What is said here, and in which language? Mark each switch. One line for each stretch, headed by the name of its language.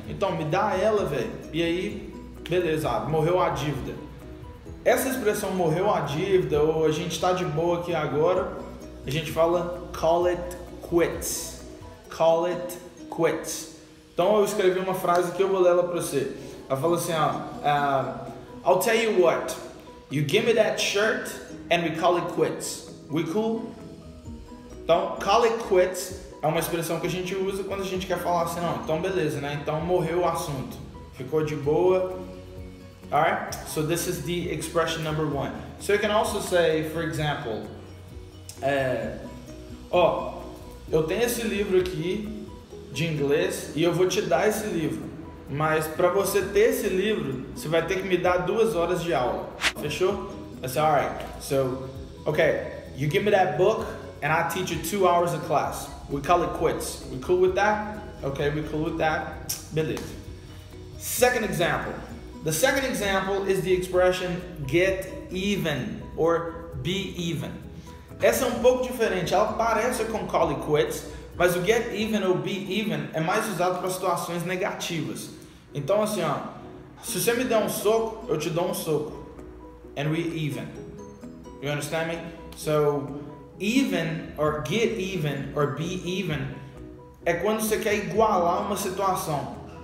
Portuguese: Então, me dá ela, velho. E aí, beleza, morreu a dívida. Essa expressão morreu a dívida, ou a gente tá de boa aqui agora, a gente fala call it quits. Call it quits. Quits. Então eu escrevi uma frase que eu vou ler ela pra você. Ela falou assim, ó,
English: I'll tell you what, you give me that shirt and we call it quits. We cool?
Portuguese: Então, call it quits é uma expressão que a gente usa quando a gente quer falar assim, não, então beleza, né? Então morreu o assunto. Ficou de boa. Alright?
English: So this is the expression number one. So you can also say, for example,
Portuguese: eu tenho esse livro aqui de inglês e eu vou te dar esse livro, mas para você ter esse livro você vai ter que me dar 2 horas de aula. Fechou?
English: I said, all right, so okay, you give me that book and I teach you 2 hours of class. We call it quits. We cool with that? Okay, we cool with that. Beleza. Second example. The second example is the expression get even or be even.
Portuguese: Essa é um pouco diferente, ela parece com call it quits. Mas o get even ou be even é mais usado para situações negativas. Então assim, ó, se você me der um soco, eu te dou um soco.
English: And we even. You understand me? So, even or get even or be even
Portuguese: é quando você quer igualar uma situação.